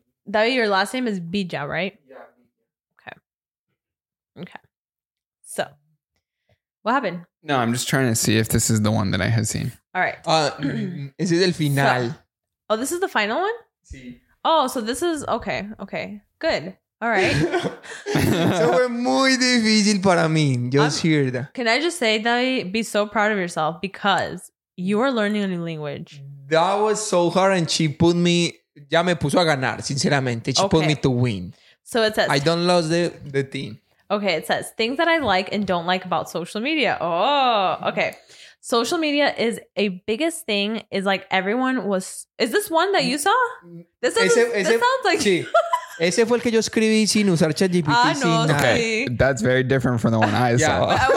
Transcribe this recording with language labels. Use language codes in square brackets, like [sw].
[en] David, your last name is Bija, right? Okay. So, what happened? No, I'm just trying to see if this is the one that I had seen. All right. Is it [es] el final? [en] So, oh, this is the final one? [es] Sí. [en] Oh, so this is... Okay. Good. All right. [es] So fue muy difícil para mí. [en] Just hear that. Can I just say that be so proud of yourself because you are learning a new language. That was so hard and she put me... [es] Ya me puso a ganar, sinceramente. [en] She put me to win. So it says... I don't lose the team. Okay, it says, things that I like and don't like about social media. Oh, okay. Social media is a biggest thing. Is like everyone was... Is this one that you saw? This sounds like... [es] Sí. Ese fue el que yo escribí sin usar ChatGPT. Ah, no, sin [en] okay. That's very different from the one I saw.